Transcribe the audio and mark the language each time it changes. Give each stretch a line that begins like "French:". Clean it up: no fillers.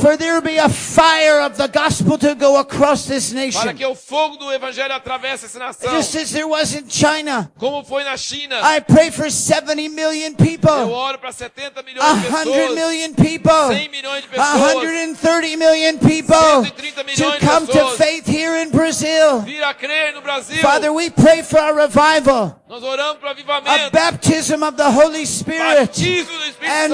English: for there be a fire of the gospel to go across this nation,
Portuguese: para que o fogo do evangelho atravesse essa nação,
English: just as there was in China,
Portuguese: como foi na China.
English: I pray for 70 million people,
Portuguese: eu oro para 70 milhões de pessoas,
English: 100 million people,
Portuguese: 100 milhões de pessoas,
English: 130 million people,
Portuguese: 130 milhões
English: to come
Portuguese: de pessoas,
English: to faith here in Brazil.
Portuguese: Vir a crer no Brasil.
English: Father, we pray for a revival.
Portuguese: Nós oramos para avivamento.
English: A baptism of the Holy Spirit.
Portuguese: Batismo do Espírito Santo.